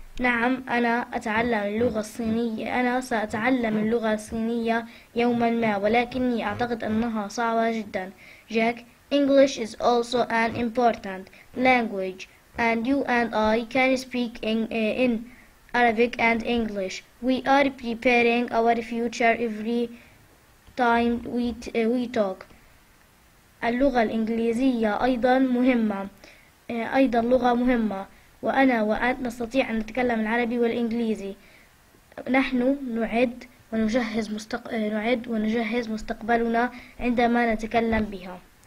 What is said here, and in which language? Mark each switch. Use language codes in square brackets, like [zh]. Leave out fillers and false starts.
[ar] نعم, أنا سأتعلم اللغة الصينية يوما ما, ولكني أعتقد أنها صعبة جدا. [en] Jack, English is also an important language, and you and I can speak in Arabic and English. We are preparing our future every time we talk. [ar] اللغة الإنجليزية أيضا مهمة. أيضا لغة مهمة, وأنا وأنت نستطيع أن نتكلم العربي والإنجليزي. نحن نعد ونجهز مستقبلنا عندما نتكلم بها.